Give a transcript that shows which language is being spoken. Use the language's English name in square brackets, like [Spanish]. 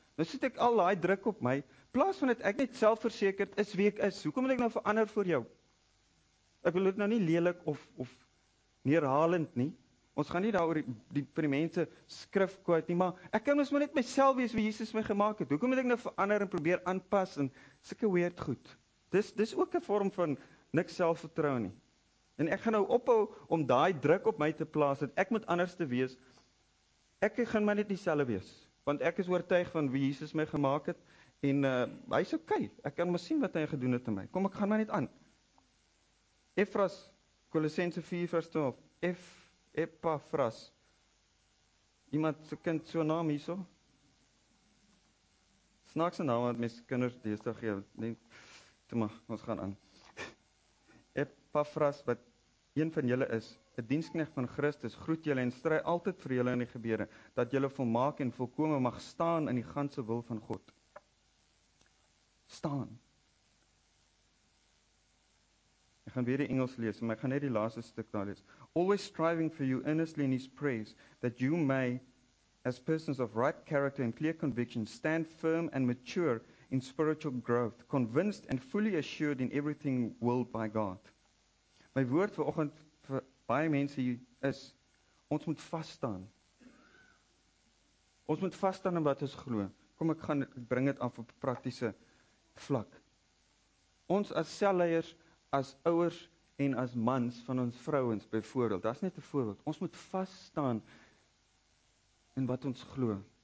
[Afrikaans] Nou sit ek al daai druk op my, plaas van dit ek net selfversekerd is wie ek is. Hoekom moet ek nou verander vir jou? Ek wil dit nou nie lelik of neerhalend nie. Ons gaan nie daaroor die vir die mense skrif kwyt nie, maar ek kan mos maar net myself wees wie Jesus my gemaak het. Hoekom moet ek nou verander en probeer aanpas en sulke weird goed? Dis ook 'n vorm van niks selfvertrou nie. En ek gaan nou ophou om daai druk op my te plaas dat ek moet anders te wees. Ek gaan maar net dieselfde wees, want ek is oortuig van wie Jesus my gemaak het en hy's okay. Ek kan maar sien wat hy gedoen het aan my. Kom, ek gaan maar net aan. Efras Kolossense 4 vers 12. Epafras. Iemand se kind so naam hierso. Snaakse naam wat mense kinders deesdae gee. Net toe maar ons gaan aan. Epafras wat een van julle is, 'n dienskneg van Christus, groet julle en stry altyd vir julle in die gebede dat julle volmaak en volkome mag staan in die ganse wil van God. Staan. Ek gaan weer die Engels lees, maar ek gaan net die laaste stuk daar lees. [English] Always striving for you earnestly in his prayers that you may, as persons of right character and clear conviction, stand firm and mature in spiritual growth, convinced and fully assured in everything willed by God. [Afrikaans] My woord vir oggend vir baie mense is, ons moet vasstaan. Ons moet vasstaan in wat ons glo. Kom, ek gaan bring dit af op 'n praktiese vlak. Ons as selleiers, as ouers en as mans van ons vrouens byvoorbeeld, dit is net 'n voorbeeld, ons moet vas staan in wat ons glo.